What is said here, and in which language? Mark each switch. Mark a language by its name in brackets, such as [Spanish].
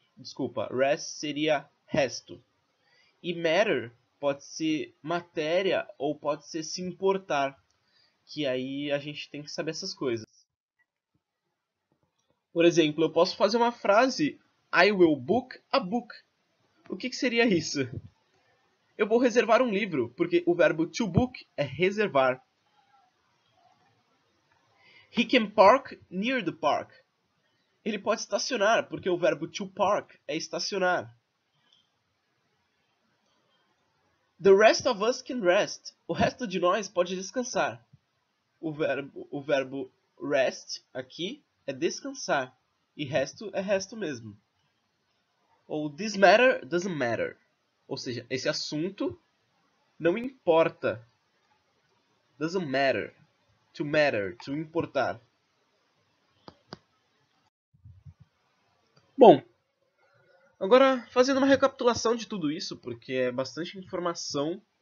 [Portuguese] Desculpa, rest seria resto. E matter pode ser matéria ou pode ser se importar, que aí a gente tem que saber essas coisas. Por exemplo, eu posso fazer uma frase [English] I will book a book. [Portuguese] O que que seria isso? Eu vou reservar um livro, porque o verbo to book é reservar. [English] He can park near the park. [Portuguese] Ele pode estacionar, porque o verbo to park é estacionar. [English] The rest of us can rest. [Portuguese] O resto de nós pode descansar. O verbo rest aqui é descansar. E resto é resto mesmo. [English] Ou this matter doesn't matter. [Portuguese] Ou seja, esse assunto não importa. [English] Doesn't matter. To matter, to importar. [Portuguese] Bom, agora fazendo uma recapitulação de tudo isso, porque é bastante informação.